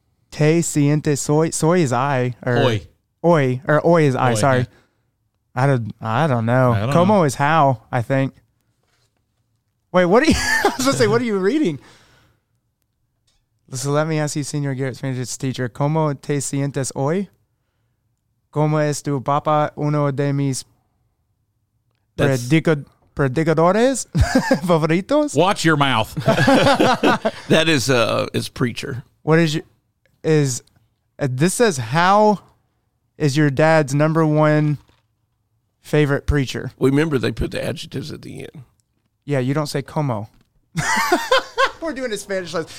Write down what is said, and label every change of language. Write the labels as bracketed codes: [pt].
[es] Te sientes hoy. Soy [en] is I. [es] Hoy. [en] Hoy. Or hoy is I. Oy, sorry. Yeah. I don't know. ¿Cómo is how, I think. Wait, what are you? I was going to say, what are you reading? So let me ask you, Senior Garrett Spanish teacher. [es] ¿Cómo te sientes hoy? ¿Cómo es tu papá uno de mis predicadores favoritos? [en] Watch your mouth. That is preacher. What is your, is this says, how is your dad's number one favorite preacher? Remember, they put the adjectives at the end. Yeah, you don't say como. We're doing a Spanish lesson.